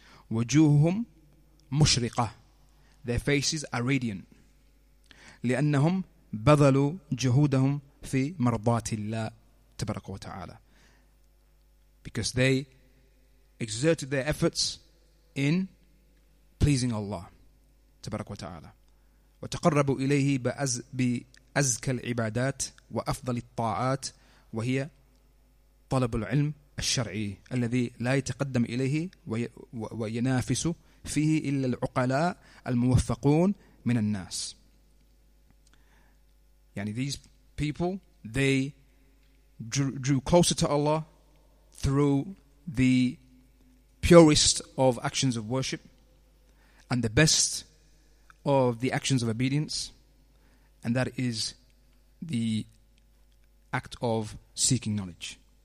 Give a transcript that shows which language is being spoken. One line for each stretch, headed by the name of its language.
Arabic: وَجُوهُهُمْ مُشْرِقَةٌ
English: Their faces are radiant.
Arabic: لِأَنَّهُمْ بَذَلُوا جُهُودَهُمْ فِي مَرْضَاتِ اللَّهِ تَبَرَكُ وَتَعَالَى
English: Because they exerted their efforts in pleasing Allah.
Arabic: تَبَرَكُ وَتَعَالَى وَتَقَرَّبُوا إِلَيْهِ بِأَزْكَى الْعِبَادَاتِ وَأَفْضَلِ الطَّاعَاتِ وَهِيَ طلب العلم الشرعي الذي لا يتقدم إليه وينافس فيه إلا العقلاء الموفقون من الناس.
English: يعني these people they drew closer to Allah through the purest of actions of worship and the best of the actions of obedience, and that is the act of seeking knowledge.